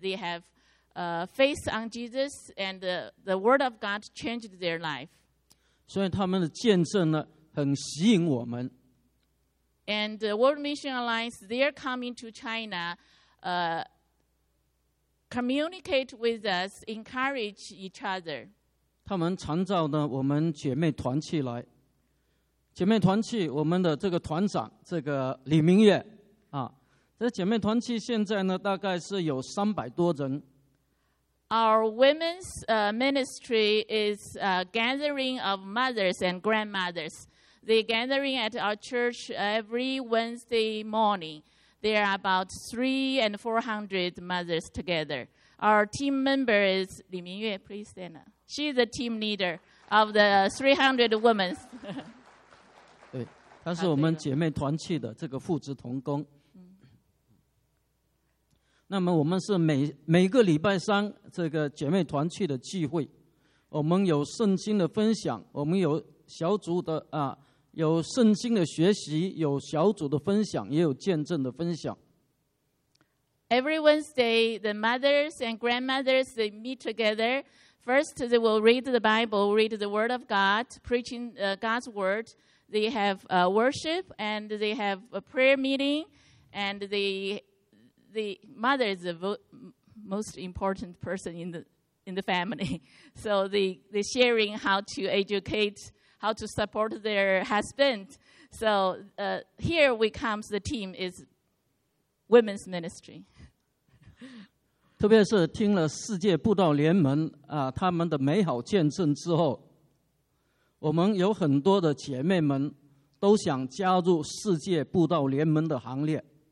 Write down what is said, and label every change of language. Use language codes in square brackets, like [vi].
[en] They have faith on Jesus, and the word of God changed their life. [zh] 所以他们的见证呢，很吸引我们。 [en] And the World Mission Alliance, they're coming to China, communicate with us, encourage each other. [zh] 他们常召呢，我们姐妹团契来。姐妹团契，我们的这个团长，这个李明月啊，这姐妹团契现在呢，大概是有300多人。 [en] Our women's ministry is a gathering of mothers and grandmothers. They gathering at our church every Wednesday morning. There are about 300 and 400 mothers together. Our team member is Li Mingyue, please stand up. She's the team leader of the 300 women. [zh] 对，她是我们姐妹团契的这个副职同工。那么我们是每个礼拜三这个姐妹团契的聚会，我们有圣经的分享，我们有小组的啊，有圣经的学习，有小组的分享，也有见证的分享。 [en] Every Wednesday, the mothers and grandmothers they meet together. First, they will read the Bible, read the Word of God, preaching God's Word. They have worship and they have a prayer meeting, and the mother is the most important person in the family. So they sharing how to educate, how to support their husband. So here we come, the team is women's ministry. [zh] 特别是听了世界布道联盟啊，他们的美好见证之后，我们有很多的姐妹们都想加入世界布道联盟的行列。